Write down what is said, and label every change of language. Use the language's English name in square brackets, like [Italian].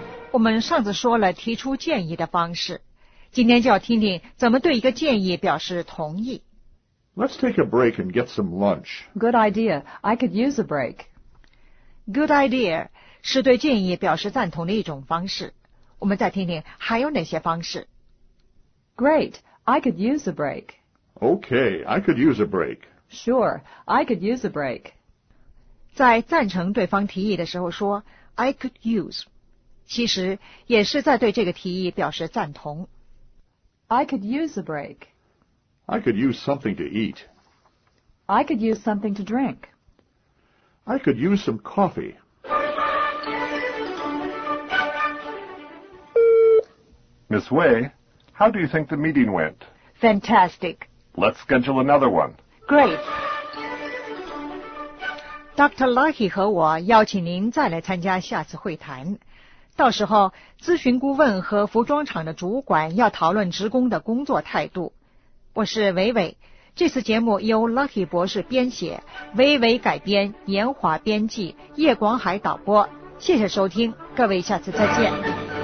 [Chinese] 我们上次说了提出建议的方式，今天就要听听怎么对一个建议表示同意。 [English] Let's take a break and get some lunch. Good idea. I could use a break. Good idea [Chinese] 是对建议表示赞同的一种方式。我们再听听还有哪些方式。 [English] Great. I could use a break. Okay. I could use a break. Sure. I could use a break. [Chinese] 在赞成对方提议的时候说 [English] I could use. [Chinese] 其实也是在对这个提议表示赞同。 [English] I could use a break. I could use something to eat. I could use something to drink. I could use some coffee. Miss Wei, how do you think the meeting went? Fantastic. Let's schedule another one. Great. Dr. [Chinese] Lucky 和我邀请您再来参加下次会谈。到时候咨询顾问和服装厂的主管要讨论职工的工作态度。我是维维，这次节目由 Lucky 博士编写，维维改编，严华编辑，叶广海导播。谢谢收听，各位下次再见。